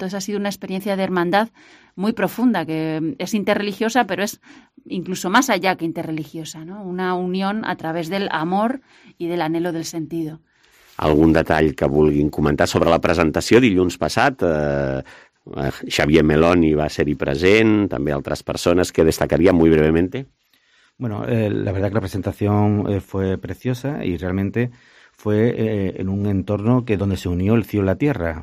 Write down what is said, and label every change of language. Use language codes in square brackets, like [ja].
[es] Entonces ha sido una experiencia de hermandad muy profunda, que es interreligiosa, pero es incluso más allá que interreligiosa, ¿no? Una unión a través del amor y del anhelo del sentido. [ca] ¿Algún detall que vulguin comentar sobre la presentació dilluns passat? Xavier Meloni va ser-hi present, també altres persones que destacaria [es] muy brevemente. Bueno, la verdad que la presentación fue preciosa, y realmente fue en un entorno que donde se unió el cielo y la tierra.